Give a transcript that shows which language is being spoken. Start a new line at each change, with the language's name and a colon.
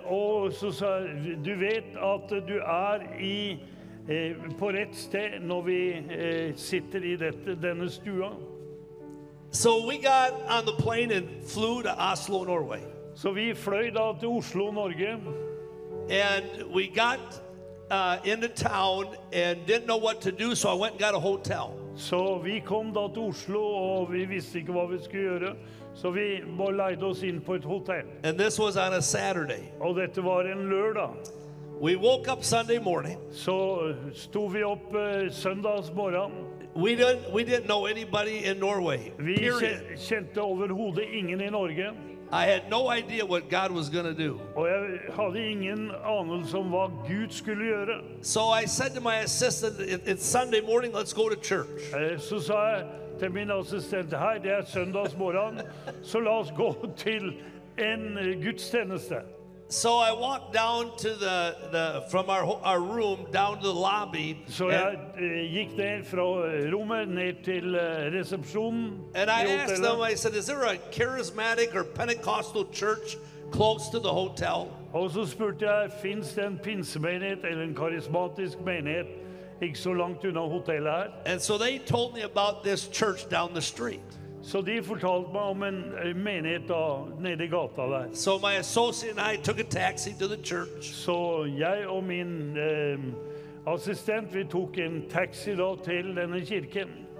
Norwegian: Og så sa jeg, du vet at du I på rett sted når vi sitter I denne stua.
English: So we got on the plane and flew to Oslo, Norway.
Norwegian: Så vi fløy da til Oslo, Norge.
English: And we got into town and didn't know what to do, so I went and got a hotel.
Norwegian: Så vi kom da til Oslo og vi visste ikke hva vi skulle gjøre, så vi bare leide oss inn på et hotell.
English: And this was on a Saturday.
Norwegian: Og dette var en lørdag.
English: We woke up Sunday morning.
Norwegian: Så sto vi opp søndags morgen.
English: We didn't know anybody in Norway.
Norwegian: Vi kjente overhodet ingen I Norge.
English: I had no idea what God was going to do.
Norwegian: Og jeg hadde ingen anelse om hva Gud skulle gjøre.
English: So I said to my assistant, it's Sunday morning, let's go to church.
Norwegian: Så sa jeg til min assistent, hei, det søndags morgen, så la oss gå til en gudstjeneste.
English: So I walked down to from our room down to the lobby.
Swedish: Så jag gick ner från rummet ner till receptionen.
English: And I asked them. I said, "Is there a charismatic or Pentecostal church close to the hotel?"
Swedish: Och så spurte jag, finns det en pinsemenighet eller en karismatisk menighet inte så långt utanför hotellet här?
English: And so they told me about this church down the street.
Norwegian: Så de fortalte meg om en menighet da, nede I gata der.
English: So my associate and I took a taxi to the church.
Norwegian: Så jeg og min assistent, vi tok en taxi da til denne kirken.